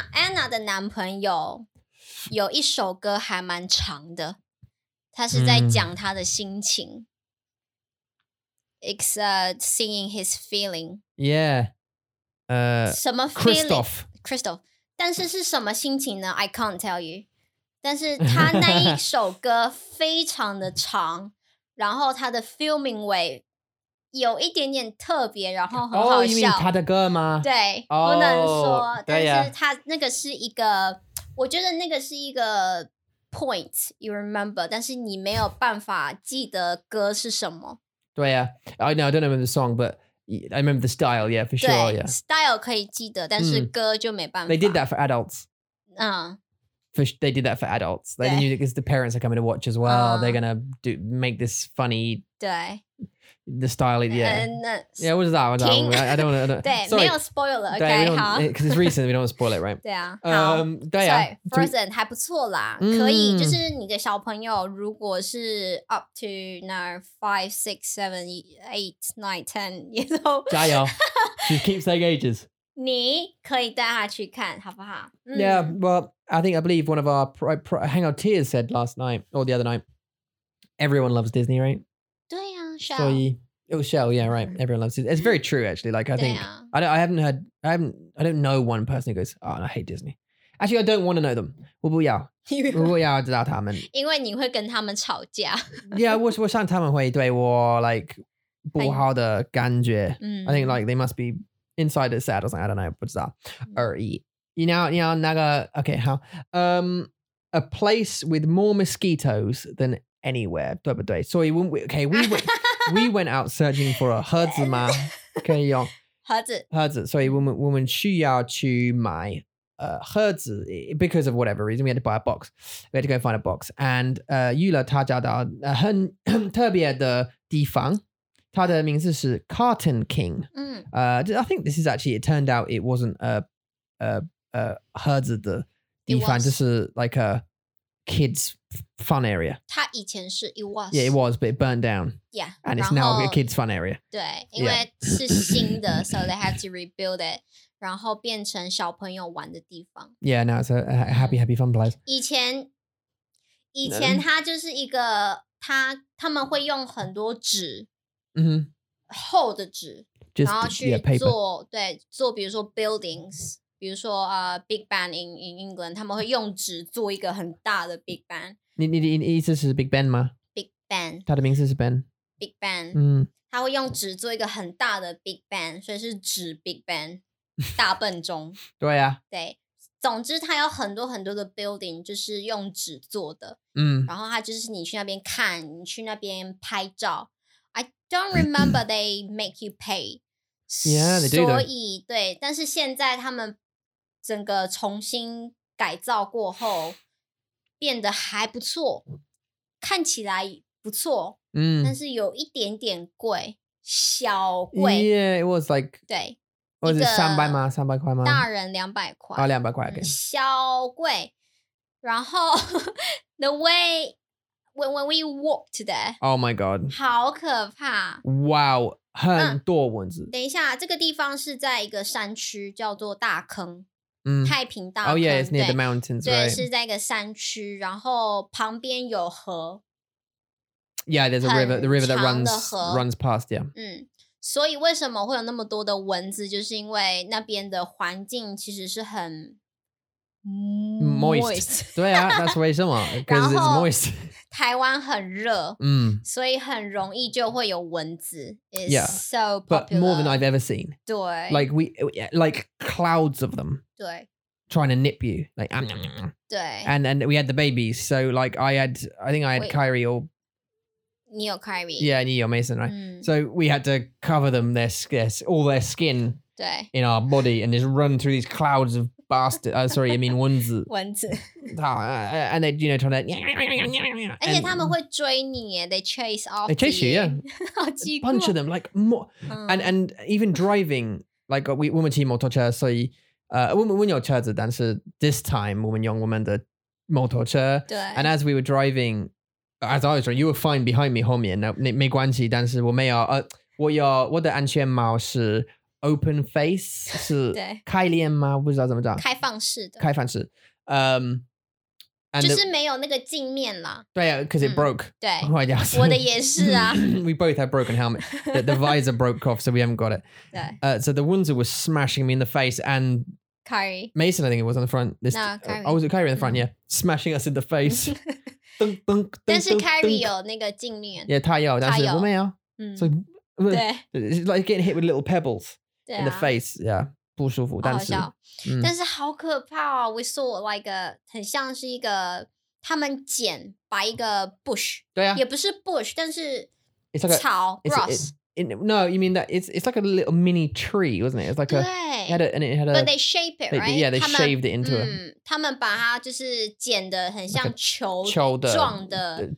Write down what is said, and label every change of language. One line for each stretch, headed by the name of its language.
Chinese: Anna 的男朋友有一首歌还蛮长的，他是在讲他的心情。
English: It's singing his feeling. Yeah.
Chinese: 什么 feeling?
English: Christoph.
Chinese: 但是是什么心情呢 ？
English: I can't tell you.
Chinese: 但是他那一首歌非常的长，然后他的 filming way。有一点点特别，然后很好笑。
English: Oh, you mean
Chinese: 他的歌吗？对， oh, 不能说。对啊、但是他那个是一个，我觉得那个是一个
English: point you remember，
Chinese: 但是你没有办法记得歌是什么。对啊
English: I know I don't remember the song, but I remember the style. Yeah, for sure. Yeah,
Chinese: style 可以记得，但是歌就没办法。
English: They did that for adults. They did that for adults. They knew because the parents are coming to watch as well. They're gonna make this funny.
Chinese: 对。
English: The style, yeah. Yeah, what is that? What is that? I don't want to.
Chinese: 对，没有 spoiler. Okay, 好。
English: Because it's recent, we don't want to spoil it, right?
Chinese: 对啊。对啊。 Frozen 还不错啦，可以。就是你的小朋友，如果是
English: up to now 5, 6, 7, 8, 9, 10, you know.
Chinese: 加油。
English: She keeps saying ages.
Chinese: 你可以带他去看，好不好？
English: Yeah, well, I think I believe one of our Hangout Tears said last night or the other night, everyone loves Disney, right? Shell. So it was Shell, yeah, right. Everyone loves it. It's very true, actually. Like, I think I don't know one person who goes, oh, I hate Disney. Actually, I don't want to know them.
Chinese: 我不要知道他们。因为你会跟他们吵架。 Yeah, 我想他们会对我
English: like
Chinese: 不好的感觉。
English: I think like they must be inside it sad or something. I don't know,
Chinese: 不知道而已。你要那个, okay, 好。
English: A place with more mosquitoes than anywhere.
Chinese: 对不对?
English: So, okay, we went out searching for a 盒子吗?
Chinese: 可以用。盒子，所以我们需要去买 盒子
English: because of whatever reason we had to buy a box. We had to go find a box.
Chinese: And Yula他找到很特别的地方，他的名字是 Carton King.
English: I think this is actually. It turned out it wasn't a
Chinese: 盒子的地方，就是
English: like a kids fun area.
Chinese: 它以前是
English: it was. Yeah, it was, but it burned down. Yeah, and it's now a kids fun area.
Chinese: 对，因为是新的，
English: so they had to rebuild it.
Chinese: 然后变成小朋友玩的地方。
English: Yeah, now it's a happy, happy fun place.
Chinese: 以前它就是一个，他们会用很多纸，厚的纸，然后去做，对，做比如说 buildings. 比如说 Big Ben in England, 他们会用纸做一个很大的 Big Ben. 你的意思是 Big Ben 吗？ Big Ben. 他的名字是 Ben. Big Ben. 他会用纸做一个很大的 Big Ben, 所以是纸 Big Ben, 大笨钟。对啊。对, 总之他有很多很多的 building, 就是用纸做的。然后他就是你去那边看, 你去那边拍照。
English: I don't remember they make you pay. Yeah, they do.
Chinese: 整个重新改造过后变得还不错，看起来不错，但是有一点点贵，小贵。
English: Yeah, it was like
Chinese: 对,
English: was it 300
Chinese: 吗？300块吗？大人200块。哦, 200块,
English: okay.
Chinese: 小贵。
English: 然后 the way when we walked there, oh my god,
Chinese: 好可怕。 Wow, 很多蚊子。等一下, 这个地方是在一个山区, 叫做大坑。太平大坑,
English: oh yeah, it's near the mountains,
Chinese: 对,
English: right?
Chinese: 对,是在一个山区, 然后旁边有河。
English: Yeah, there's a river, the river that runs past, yeah.
Chinese: 所以为什么会有那么多的蚊子, 就是因为那边的环境其实是很
English: moist.
Chinese: 对啊,
English: that's
Chinese: 为什么,
English: because it's moist.
Chinese: 台湾很热, 所以很容易就会有蚊子。
English: It's yeah, so popular. But more than I've ever seen.
Chinese: 对。
English: Like clouds of them.
Chinese: 对。
English: Trying to nip you. Like, and we had the babies. So like I think I had Kyrie or...
Chinese: 你有 Kyrie.
English: Yeah,
Chinese: 你有
English: Mason, right? So we had to cover them, their skin
Chinese: 对,
English: in our body and just run through these clouds of bastard. Sorry, I mean
Chinese: 蚊子. 蚊子.
English: And they, you know, trying to...
Chinese: 而且他们会追你,
English: they chase after you. They chase you, you. Yeah.
Chinese: 好奇怪。
English: A bunch of them, like more... And even driving, like we woman team motorcycle, so...
Chinese: 我们有车子, 但是
English: this time
Chinese: 我们用我们的 motorcycle. 对。
English: And as we were driving, as I was driving, you were fine behind me,
Chinese: 后面, 没关系, 但是我没有, 我的安全帽是 open face, 是开帘吗? 不知道怎么讲。开放式的。开放式。就是没有那个镜面啦。
English: 对, because it broke.
Chinese: 对。我的也是啊。
English: We both had broken helmet. The visor broke off, so we haven't got it.
Chinese: 对。
English: So the wounds were smashing me in the face and Kyrie. Mason, I think it was on the front. This, no, Kyrie. Oh, was it Kyrie in the front? Yeah. Smashing us in the face.
Chinese: 但是Kyrie有那个镜面。 Yeah, 他有, 但是我没有。
English: So,
Chinese: 对。
English: It's like getting hit with little pebbles in the face.
Chinese: Yeah. 不舒服, 但是, 但是好可怕哦,
English: we saw like a,
Chinese: 很像是一个, 他们剪白一个 bush. 对啊。也不是 bush, 但是,
English: it's like
Chinese: 草,
English: grass. No, you mean that it's like a little mini tree, wasn't it? It's like a, it had a... But they shape it, right? Yeah, they shaved it into a...
Chinese: 他们把它就是剪得很像球状的...